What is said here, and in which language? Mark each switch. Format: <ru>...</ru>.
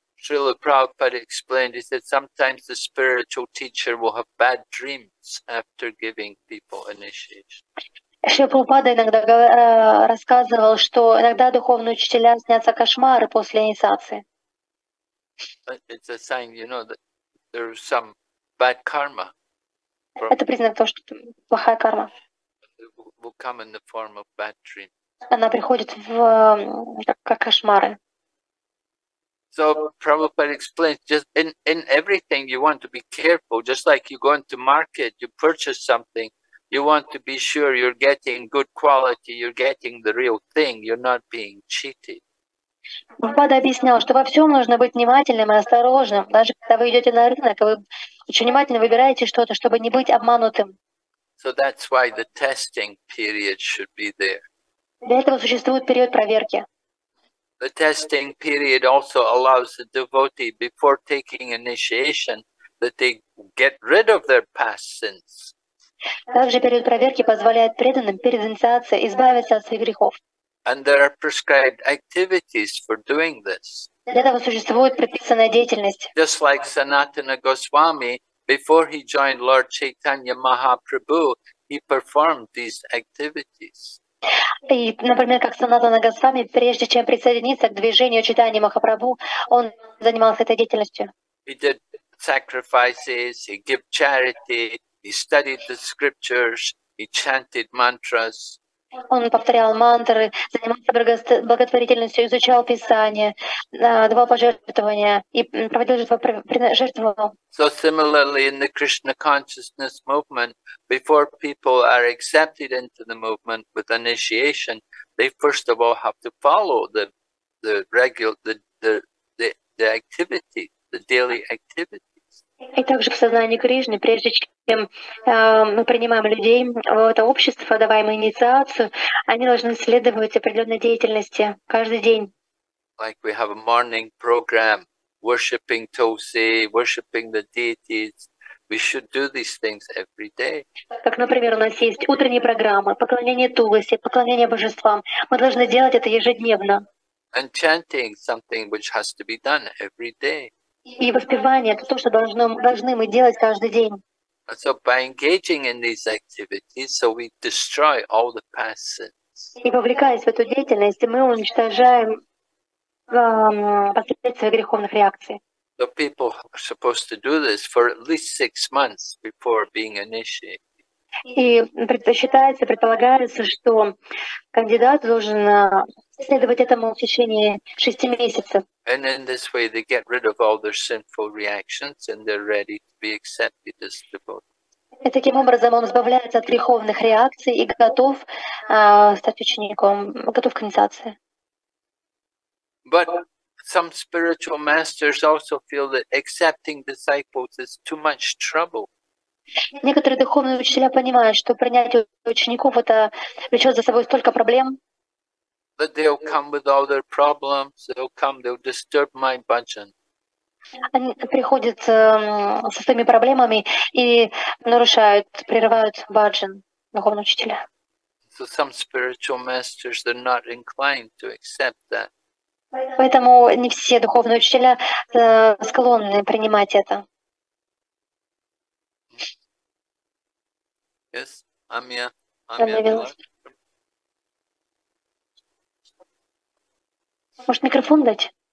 <en>Шрила Прабхупада explained, he said, sometimes the spiritual teacher will have bad dreams after giving people initiation.</en> <ru>Шрила Прабхупада иногда рассказывал, что иногда духовные учителя снятся кошмары после инициации.</ru> <en>It's a sign, you know, that there is some bad karma.</en> <ru>Это признак того, что плохая карма.</ru> <en>Will come in the form of bad dream.</en> <ru>Она приходит в как кошмары.</ru> <en>So Prabhupada explains, just in everything you want to be careful, just like you go into market, you purchase something, You want to be sure you're getting good quality, you're getting the real thing, you're not being cheated.</en> <ru>Прабхупада объяснял, что во всем нужно быть внимательным и осторожным. Даже когда вы идете на рынок, вы очень внимательно выбираете что-то, чтобы не быть обманутым.</ru> <en>So that's why the testing period should be there.</en> <ru>Для этого существует период проверки.</ru> <en>The testing period also allows the devotee before taking initiation that they get rid of their past sins.</en> <ru>Также период проверки позволяет преданным перед инициацией избавиться от своих грехов.</ru> <en>And there are prescribed activities for doing this.</en> <ru>Для этого существует предписанная деятельность.</ru> <en>Just like Sanatana Goswami, before he joined Lord Chaitanya Mahaprabhu, he performed these activities.</en> <ru>И, например, как Санатана Госвами, прежде чем присоединиться к движению Чайтанья Махапрабху, он занимался этой деятельностью.</ru> <en>He did sacrifices, he gave charity, he studied the scriptures, he chanted mantras.</en> <ru>Он повторял мантры, занимался благотворительностью, изучал Писание, давал пожертвования и проводил жертвования.</ru> <en>So similarly in the Krishna consciousness movement, before people are accepted into the movement with initiation, they first of all have to follow the activity, the daily activity.</en> <ru>И также в сознании Кришны, прежде чем мы принимаем людей в это общество, даваемое инициацию, они должны следовать определенной деятельности каждый день.</ru> <en>Like we have a morning program, worshipping Tulsi, worshipping the deities. We should do these things every day.</en> <ru>Как, например, у нас есть утренние программы, поклонение Тулси, поклонение божествам. Мы должны делать это ежедневно.</ru> <en>And chanting something which has to be done every day.</en> <ru>И воспевание — это то, что должны мы делать каждый день.</ru> <en>So by engaging in these activities, so we destroy all the past sins.</en> <ru>И вовлекаясь в эту деятельность, мы уничтожаем последствия греховных реакций.</ru> <en>So people are supposed to do this for at least 6 months before being initiated.</en> <ru>И считается, предполагается, что кандидат должен следовать этому в течение 6 месяцев.</ru> <en>And in this way they get rid of all their sinful reactions and they're ready to be accepted as devotees.</en> <ru>Таким образом он избавляется от греховных реакций и готов стать учеником, готов к инициации.</ru> <en>But some spiritual masters also feel that accepting disciples is too much trouble.</en> <ru>Некоторые духовные учителя понимают, что принятие учеников это влечет за собой столько проблем.</ru> <en>That they'll come with all their problems, they'll come, they'll disturb my bhajan.</en> <ru>Они приходят со своими проблемами и нарушают, прерывают бхаджан, духовного учителя.</ru> <en>So some spiritual masters, they're not inclined to accept that.</en> <ru>Поэтому не все духовные учителя склонны принимать это.</ru> <en>Yes, Амия.</en> <ru>Может, микрофон дать?</ru>